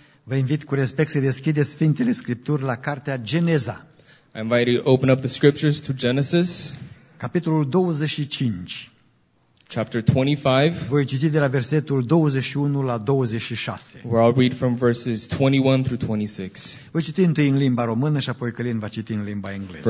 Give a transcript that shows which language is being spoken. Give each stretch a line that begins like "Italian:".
Romanian: vă invit cu respect să deschideți Sfintele Scripturi la Cartea Geneza.
English: I invite you to open up the Scriptures to Genesis,
Romanian: capitolul 25.
English: Chapter 25.
Romanian: Voi citi de la versetul 21 la 26.
English: Where I'll read from verses 21 through 26.
Romanian: Voi citi întâi în limba română și apoi Călin va citi în limba engleză.